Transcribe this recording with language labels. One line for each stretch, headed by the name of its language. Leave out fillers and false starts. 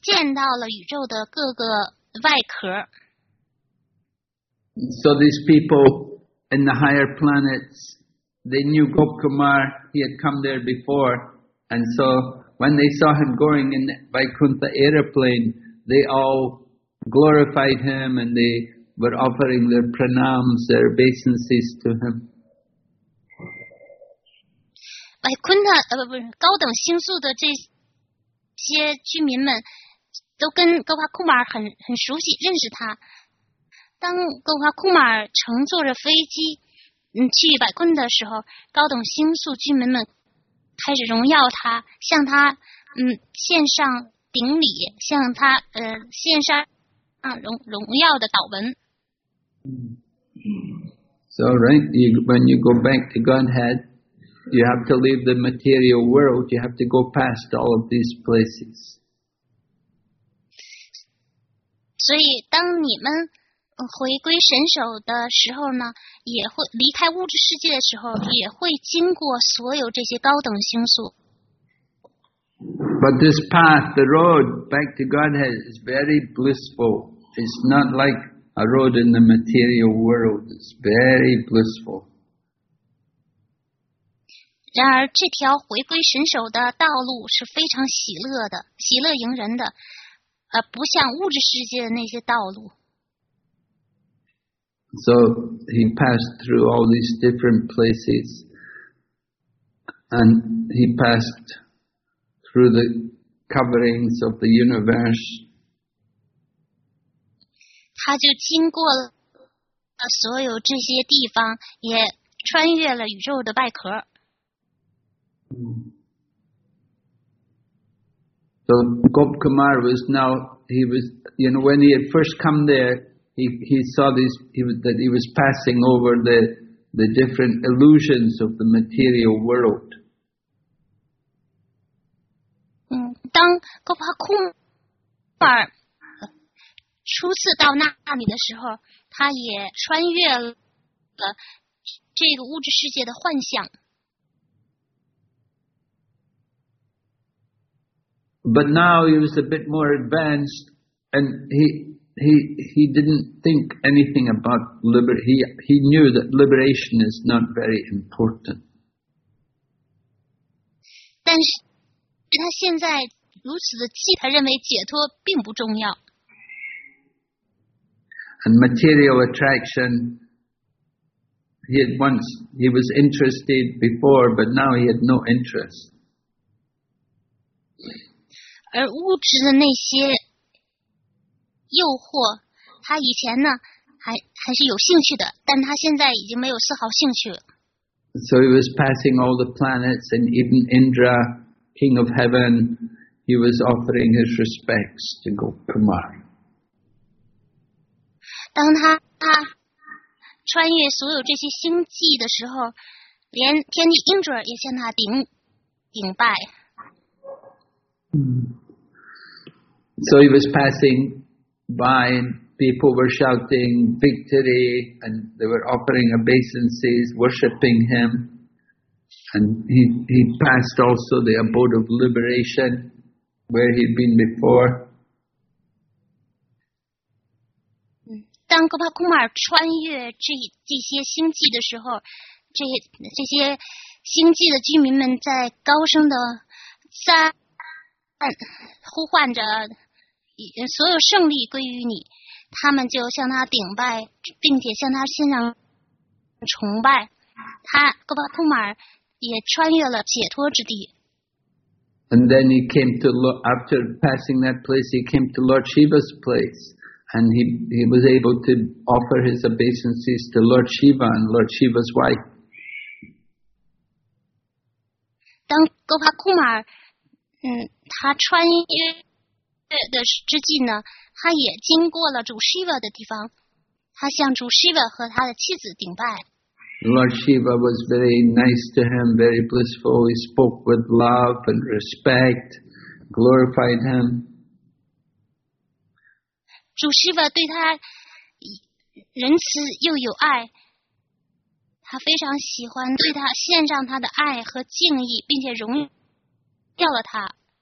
Chinese: 当格瓦库马尔和他们一起旅行到百昆的时候，也见到了宇宙的各个外壳。
English: So these people in the higher planets, they knew Gop Kumar, he had come there before. And so when they saw him going in the Vaikuntha airplane, they all glorified him and they were offering their pranams, their obeisances to him.
Chinese: 白昆特不是高等星宿的这些居民们都跟格华库马尔很熟悉，认识他。当格华库马尔乘坐着飞机去白昆特的时候，高等星宿居民们开始荣耀他，向他献上顶礼，向他献上荣耀的祷文。
English: So right, when you go back to Godhead, you have to leave the material world. You have to go past all of these places.
Chinese: 所以，当你们回归神首的时候呢，也会离开物质世界的时候，也会经过所有这些高等星宿。
English: But this path, the road back to Godhead, is very blissful. It's not like a road in the material world. It's very blissful.
Chinese: 然而，这条回归神首的道路是非常喜乐的，喜乐迎人的，不像物质世界的那些道路。
English: So he passed through all these different places, and he passed through the coverings of the universe.
Chinese: 他就经过了所有这些地方，也穿越了宇宙的外壳。
English: So Gop Kumar was now, he was, you know, when he had first come there,He saw this, that he was passing over the different illusions of the material world.
Chinese: 当格华库马尔初次到那里的时候，他也穿越了这个物质世界的幻象。
English: But now he was a bit more advanced, and he didn't think anything about liberation. He knew that liberation is not very important.
Chinese: 但是他现在如此的气，他认为解脱并不重要。
English: And material attraction, he was interested before, but now he had no interest.
Chinese: 而物质的那些诱惑，他以前呢还是有兴趣的，但他现在已经没有丝毫兴趣了。
English: So he was passing all the planets, and even Indra, king of heaven, he was offering his respects to Gopamari.
Chinese: 当他穿越所有这些星际的时候，连天帝 Indra 也向他顶拜。
English: So he was passing. By people were shouting victory, and they were offering obeisances, worshipping him. And he passed also the abode of liberation, where he'd been before.
Chinese: 当格巴库马尔穿越这些星际的时候，这些星际的居民们在高声的赞呼唤着。所有胜利归于你，他们就向他顶拜，并且向他献上崇拜。他格巴库马尔也穿越了解脱之地。
English: And then he came to after passing that place, he came to Lord Shiva's place, and he was able to offer his obeisances to Lord Shiva and Lord Shiva's wife.
Chinese: 当格巴库马尔，他穿越。的之际呢，他也经过了主 Shiva 的地方，他向主 Shiva 和他的妻子顶拜。
English: Lord Shiva was very nice to him, very blissful. He spoke with love and respect, glorified him.
Chinese: 主 Shiva 对他仁慈又有爱，他非常喜欢对他献上他的爱和敬意，并且荣耀了他。